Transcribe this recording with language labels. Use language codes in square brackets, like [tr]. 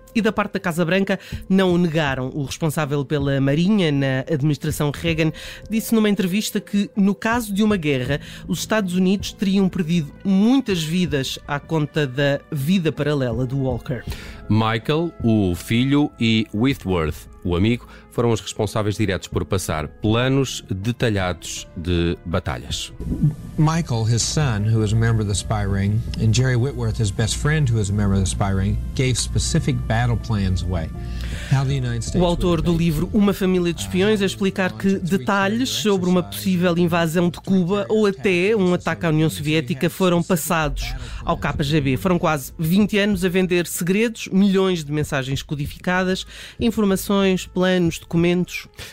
[pt] E da parte da Casa Branca, não o negaram. O responsável pela Marinha, na administração Reagan, disse numa entrevista que, no caso de uma guerra, os Estados Unidos teriam perdido muitas vidas à conta da vida paralela do Walker. Michael, o filho, e Whitworth, o amigo, foram os responsáveis diretos por passar planos detalhados de batalhas. [en] Michael, his son, who is a member of the spy ring, and Jerry Whitworth, his best friend, who is a member of the spy ring, gave specific battle plans away. [pt] O autor do livro Uma Família de Espiões a explicar que detalhes sobre uma possível invasão de Cuba ou até um ataque à União Soviética foram passados ao KGB. Foram quase 20 anos a vender segredos, milhões de mensagens codificadas, informações, planos, documentos.